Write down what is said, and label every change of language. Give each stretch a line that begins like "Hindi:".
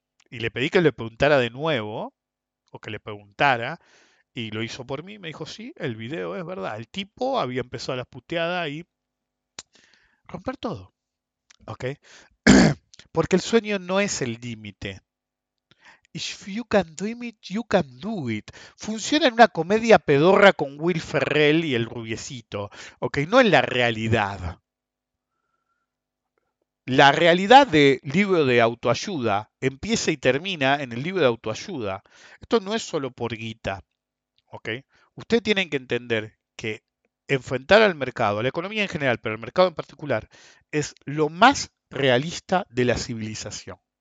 Spanish: Y le pedí que le preguntara de nuevo, o que le preguntara, y lo hizo por mí. Me dijo, sí, el video es verdad. El tipo había empezado la puteada y romper todo. ¿Ok? Porque el sueño no es el límite.
English: If you can dream it, you can do it.
Spanish: Funciona en una comedia pedorra con Will Ferrell y el rubiecito. Ok, no en la realidad. La realidad del libro de autoayuda empieza y termina en el libro de autoayuda. Esto no es solo por guita. Ok, ustedes tienen que entender que enfrentar al mercado, a la economía en general, pero al mercado en particular, es lo más realista de la civilización.